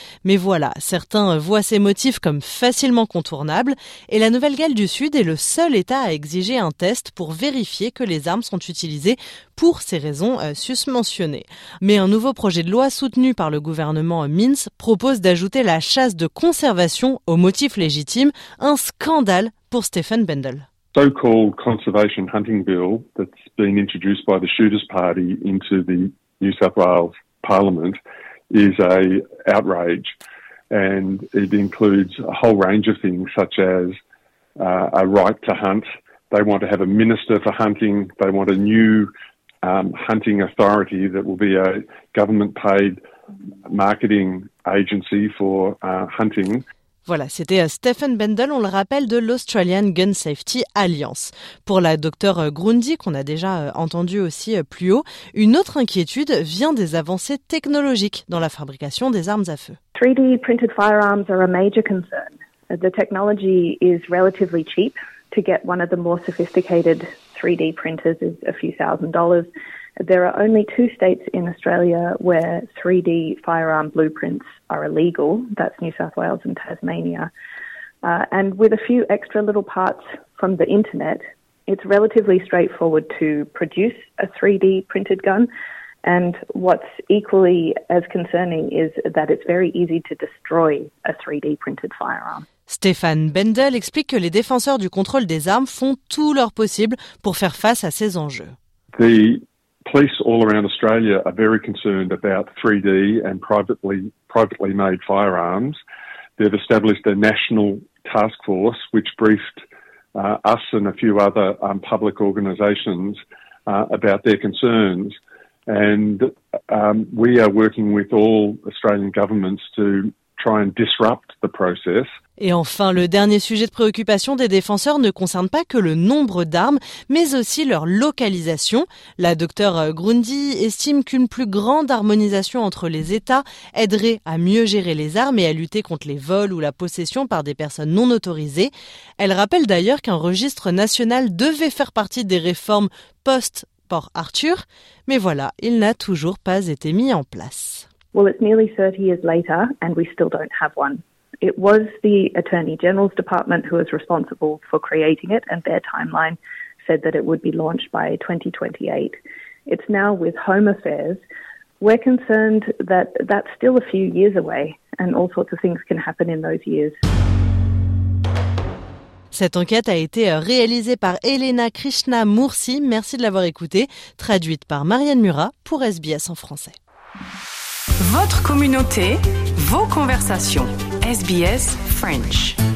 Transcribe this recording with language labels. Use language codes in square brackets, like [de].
[fr] Mais voilà, certains voient ces motifs comme facilement contournables et la Nouvelle-Galles du Sud est le seul État à exiger un test pour vérifier que les armes sont utilisées pour ces raisons susmentionnées. Mais un nouveau projet de loi soutenu par le gouvernement Minns propose d'ajouter la chasse de conservation au motif légitime, un scandale pour Stephen Bendel. [en] So-called conservation hunting bill that's been introduced by the Shooters Party into the New South Wales Parliament is a outrage, and it includes a whole range of things such as a right to hunt. They want to have a minister for hunting. They want a new hunting authority that will be a government-paid marketing agency for hunting. [fr] Voilà, c'était Stephen Bendel, on le rappelle, de l'Australian Gun Safety Alliance. Pour la docteure Grundy, qu'on a déjà entendu aussi plus haut, une autre inquiétude vient des avancées technologiques dans la fabrication des armes à feu. [en] 3D printed firearms are a major concern. The technology is relatively cheap. To get one of the more sophisticated 3D printers is a few thousand dollars. There are only two states in Australia where 3D firearm blueprints are illegal. That's New South Wales and Tasmania. And with a few extra little parts from the internet, it's relatively straightforward to produce a 3D printed gun. And what's equally as concerning is that it's very easy to destroy a 3D printed firearm. [fr] Stephen Bendel explique que les défenseurs du contrôle des armes font tout leur possible pour faire face à ces enjeux. [en] The police all around Australia are very concerned about 3D and privately made firearms. They've established a national task force which briefed us and a few other public organisations about their concerns. And we are working with all Australian governments to try and disrupt the process. [fr] Et enfin, le dernier sujet de préoccupation des défenseurs ne concerne pas que le nombre d'armes, mais aussi leur localisation. La docteure Grundy estime qu'une plus grande harmonisation entre les États aiderait à mieux gérer les armes et à lutter contre les vols ou la possession par des personnes non autorisées. Elle rappelle d'ailleurs qu'un registre national devait faire partie des réformes post-Port Arthur, mais voilà, il n'a toujours pas été mis en place. [en] Well, it's nearly 30 years later and we still don't have one. It was the Attorney General's department who was responsible for creating it and their timeline said that it would be launched by 2028. It's now with Home Affairs. We're concerned that that's still a few years away and all sorts of things can happen in those years. [fr] Cette enquête a été réalisée par Elena Krishna Mursi. Merci de l'avoir écoutée. Traduite par Marianne Murat pour SBS en français. Votre communauté, vos conversations. SBS French.